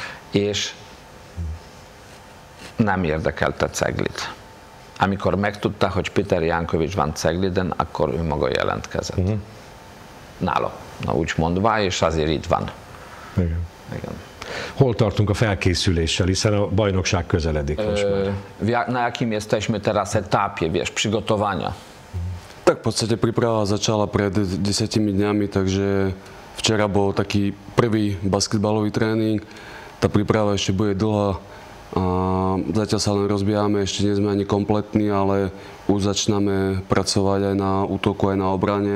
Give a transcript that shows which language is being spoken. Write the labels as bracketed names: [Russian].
[Hungarian] És nem érdekelte Ceglit. Amikor megtudta, hogy Péter Jankovic van Cegliden, akkor ő maga jelentkezett. Nála, na úgy mondva, és azért itt van. Igen. Hol tartunk a felkészüléssel, hiszen a bajnokság közeledik most már. [Polish] Na jakým jesteśmy teraz etapie, wiesz, przygotowania? [Slovak] Tak v podstate príprava začala pred 10 dňami, takže včera bol taký prvý basketbalový tréning. Tá príprava ešte bude dlhá. A zatiaľ sa len rozbijáme, ešte nie sme ani kompletní, ale už začíname pracovať aj na útoku, aj na obrane.